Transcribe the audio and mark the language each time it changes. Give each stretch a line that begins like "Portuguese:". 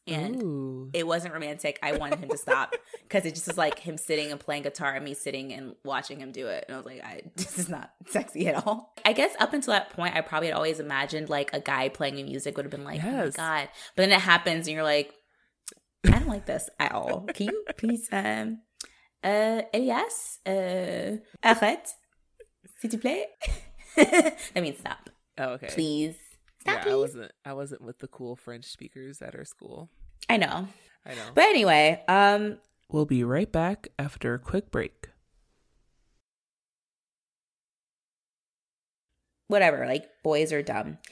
English: And it wasn't romantic. I wanted him to stop because it just was like him sitting and playing guitar and me sitting and watching him do it. And I was like, this is not sexy at all. I guess up until that point, I probably had always imagined like a guy playing music would have been like, yes. Oh my God. But then it happens and you're like, I don't like this at all. Can you please, Elias,
French: arrête, s'il te plaît.
English: I mean, stop. Oh, okay. Please. Yeah, I wasn't with the cool French speakers at our school. I know. But anyway, we'll be right back after a quick break. Whatever, like boys are dumb.